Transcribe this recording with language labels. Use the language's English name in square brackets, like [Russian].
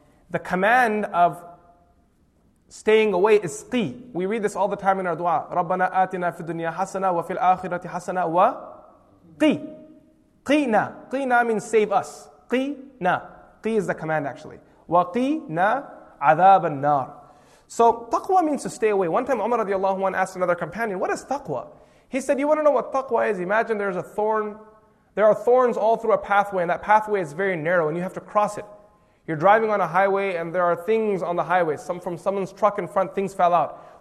[English] The command of staying away is qi. We read this all the time in our dua. [Arabic] رَبَّنَا آتِنَا فِي الدُّنْيَا حَسَنًا وَفِي الْآخِرَةِ حَسَنًا وَقِي. قِينَا [English] means save us. [Arabic] قِينَا. [English] Qi is the command actually. [Arabic] Waqina عذاب النار. [English] So taqwa means to stay away. One time Umar radiallahu anhu asked another companion, what is taqwa? He said, you want to know what taqwa is? Imagine there's a thorn. There are thorns all through a pathway, and that pathway is very narrow, and you have to cross it. You're driving on a highway, and there are things on the highway. Some from someone's truck in front, things fell out.